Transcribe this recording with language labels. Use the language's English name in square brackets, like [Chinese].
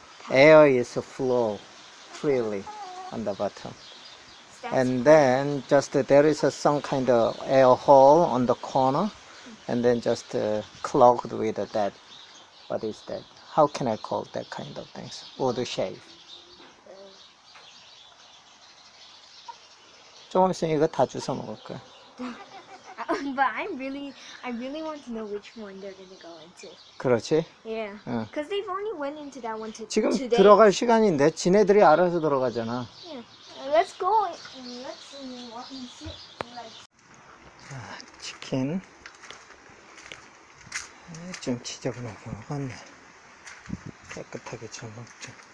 [English] air is flow freely on the bottom. And then just there is some kind of air hole on the corner, and then just clogged with that. What is that? How can I call that kind of things? Wood shape. [Korean] 조금 있으면 이거 다 주워 먹을 거야. [English] But I really want to know which one they're gonna go into. [Korean] 그렇지? [English] Yeah. [Korean] 응. [English] Cause they've only went into that one today. [Korean] 지금 들어갈 시간인데 지네들이 알아서 들어가잖아. [English] Yeah. Let's go. Let's walk and sit. [Korean] 아, 치킨. 좀 지저분 먹었네. 깨끗하게 잘 먹자.